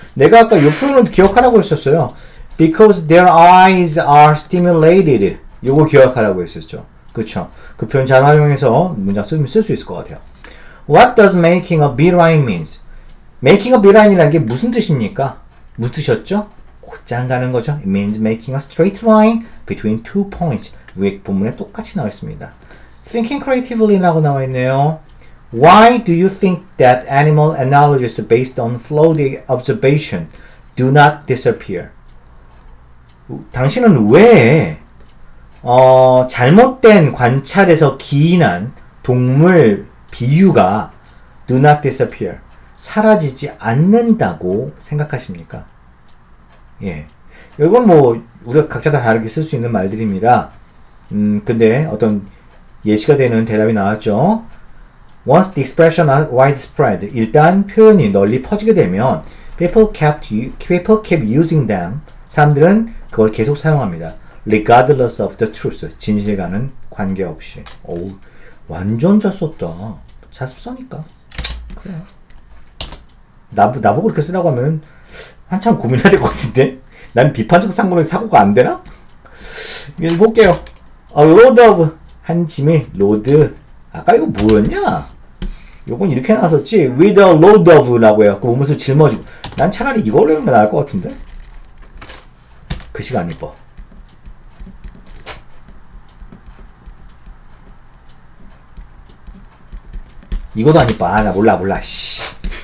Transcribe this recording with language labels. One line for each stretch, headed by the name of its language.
Korean: 내가 아까 요 표현을 기억하라고 했었어요.
English: Because their eyes are stimulated.
Korean: 요거 기억하라고 했었죠. 그쵸. 그 표현 잘 활용해서 문장 쓸 수 있을 것 같아요.
English: What does making a beeline means? Making a beeline
Korean: 이라는 게 무슨 뜻입니까? 무슨 뜻이었죠? 곧장 가는 거죠.
English: It means making a straight line between two points.
Korean: 위에 본문에 똑같이 나와 있습니다.
English: Thinking creatively
Korean: 라고 나와 있네요.
English: Why do you think that animal analogies based on floating observation do not disappear?
Korean: 당신은 왜 잘못된 관찰에서 기인한 동물 비유가
English: do not disappear,
Korean: 사라지지 않는다고 생각하십니까? 예, 이건 뭐 우리가 각자 다 다르게 쓸 수 있는 말들입니다. 근데 어떤 예시가 되는 대답이 나왔죠.
English: Once the expression is widespread,
Korean: 일단 표현이 널리 퍼지게 되면
English: people kept using them,
Korean: 사람들은 그걸 계속 사용합니다.
English: Regardless of the truth,
Korean: 진실과는 관계없이. 어우, 완전 잘 썼다. 자습 써니까. 그래. 나보고 그렇게 쓰라고 하면 한참 고민해야 될 것 같은데? 난 비판적 상관에 사고가 안 되나? 읽어볼게요.
English: A load of,
Korean: 한 짐이,
English: load.
Korean: 아까 이거 뭐였냐? 요건 이렇게 나왔었지.
English: With a load of
Korean: 라고 해요. 그 몸을 짊어지고. 난 차라리 이걸로 하는 게 나을 것 같은데? 글씨가 안 이뻐. 이것도 안 이뻐. 아, 나 몰라, 씨.